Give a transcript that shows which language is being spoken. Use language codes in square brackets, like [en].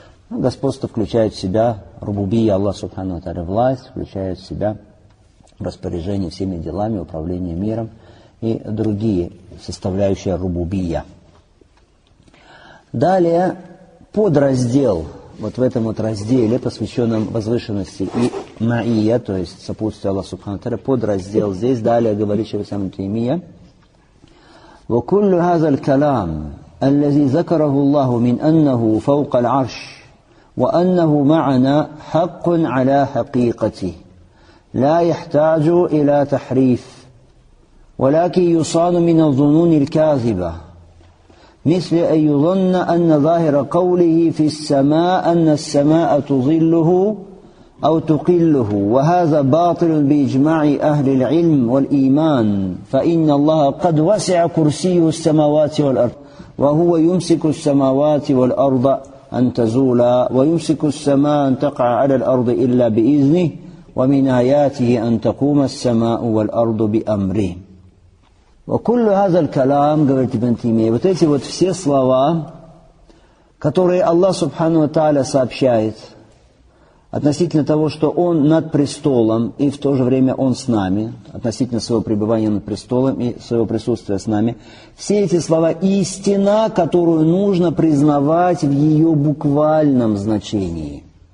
[ru] Господство включает в себя рубубия Аллаха Субхану ва Тааля, власть, включает в себя распоряжение всеми делами, управление миром и другие составляющие рубубия. Далее подраздел. Вот в этом вот разделе, посвященном возвышенности и маия, то есть сопутствию Аллаха Субхану ва Тааля, подраздел здесь, далее говорит Шейх Ибн Таймия. [ar] وَكُلُّ هَذَا الْكَلَامِ الَّذِي ذَكَرَهُ اللَّهُ مِنْ أَنَّهُ فَوْقَ الْعَرْشِ وَأَنَّهُ مَعَنَا حَقٌ عَلَى حَقِيقَتِهِ لَا يَحْتَاجُ إِلَى تَحْرِيفٍ وَلَكِنْ يُصَانُ مِنَ الظُّنُونِ الْكَاذِبَةِ مثل أن يظن أن ظاهر قوله في السماء أن السماء تظله أو تقله وهذا باطل بإجماع أهل العلم والإيمان فإن الله قد وسع كرسيه السماوات والأرض وهو يمسك السماوات والأرض أن تزولا ويمسك السماء أن تقع على الأرض إلا بإذنه ومن آياته أن تقوم السماء والأرض بأمره. وكل هذا الكلام [ru] говорит Ибн Таймия, вот эти вот все слова, которые Аллах Субхану ва Тааля сообщает относительно того, что Он над престолом и в то же время Он с нами, относительно своего пребывания над престолом и своего присутствия с нами, все эти слова истина, которую нужно признавать в ее буквальном значении.